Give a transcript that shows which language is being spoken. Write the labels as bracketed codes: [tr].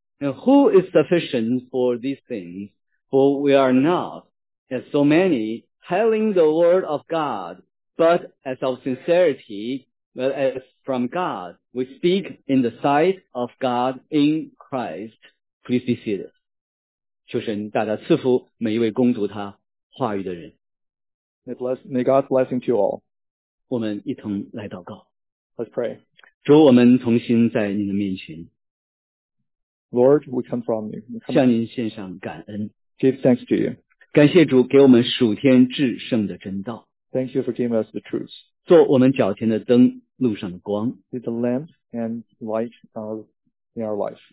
[en] And who is sufficient for these things? For we are not, as so many, telling the word of God, but as of sincerity, but as from God, we speak in the sight of God in Christ. Please be seated. [zh] 求神大大赐福每一位攻读他话语的人。 [en] May God's blessing to you all. [zh] 我们一同来祷告。 [en] Let's pray. [zh] 主，我们同心在您的面前。 [en] Lord, we come from you. [zh] 向您献上感恩。 [en] Give thanks to you. [zh] 感谢主给我们属天至圣的真道。 [en] Thank you for giving us the truth. [zh] 做我们脚前的灯，路上的光。 [en] Be the lamp and light in our life.